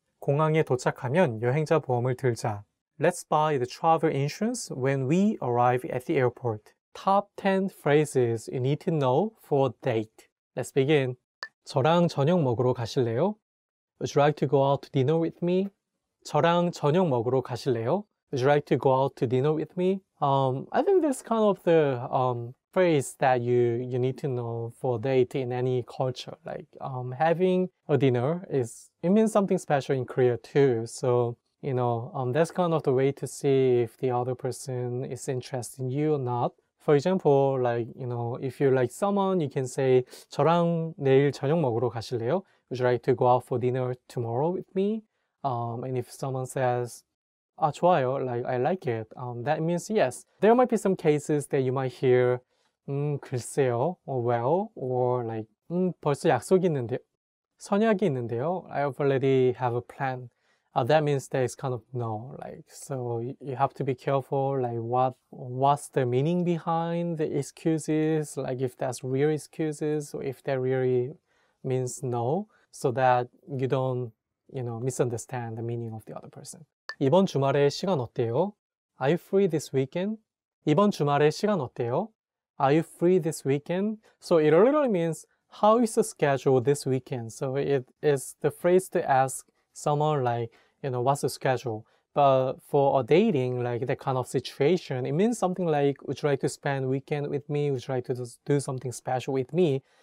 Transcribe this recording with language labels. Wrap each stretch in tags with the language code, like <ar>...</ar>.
<ko>공항에 도착하면 여행자 보험을 들자.</ko> <en>Let's buy the travel insurance when we arrive at the airport. Top 10 phrases you need to know for a date. Let's begin.</en> <ko>저랑 저녁 먹으러 가실래요?</ko> <en>Would you like to go out to dinner with me?</en> <ko>저랑 저녁 먹으러 가실래요?</ko> <en>Would you like to go out to dinner with me? I think that's kind of the phrase that you need to know for a date in any culture. Like having a dinner it means something special in Korea too. So, you know, that's kind of the way to see if the other person is interested in you or not. For example, like, you know, if you like someone, you can say</en> <ko>저랑 내일 저녁 먹으러 가실래요?</ko> <en>Would you like to go out for dinner tomorrow with me? And if someone says</en> <ko>아, 좋아요,</ko> <en>like, I like it, that means yes. There might be some cases that you might hear</en> <ko>글쎄요,</ko> <en>or well, or like</en> <ko>벌써 약속이 있는데요, 선약이 있는데요,</ko> <en>I already have a plan. That means that it's kind of no, like, so you have to be careful, like, what's the meaning behind the excuses, like, if that's real excuses, or if that really means no, so that you don't, you know, misunderstand the meaning of the other person.</en> <ko>이번 주말에 시간 어때요?</ko> <en>Are you free this weekend?</en> <ko>이번 주말에 시간 어때요?</ko> <en>Are you free this weekend? So it literally means, how is the schedule this weekend? So it is the phrase to ask someone, like, you know, what's the schedule? But for a dating, like, that kind of situation, it means something like, would you like to spend weekend with me? Would you like to just do something special with me?</en>